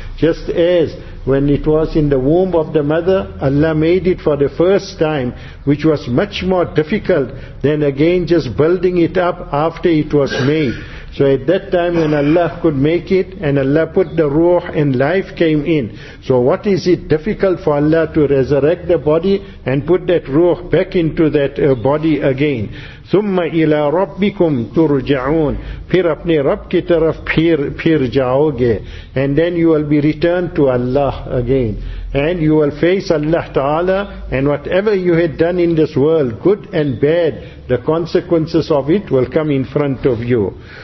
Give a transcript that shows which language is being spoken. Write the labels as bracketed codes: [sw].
[en] Just as when it was in the womb of the mother, Allah made it for the first time, which was much more difficult than again just building it up after it was made. So at that time when Allah could make it, and Allah put the ruh and life came in, so what is it difficult for Allah to resurrect the body and put that ruh back into that body again? [ar] ثم الى ربكم ترجعون, [ur] پھر اپنے رب کی طرف پھر جاؤ گے. [en] And then you will be returned to Allah again, and you will face Allah Ta'ala, and whatever you had done in this world, good and bad, the consequences of it will come in front of you.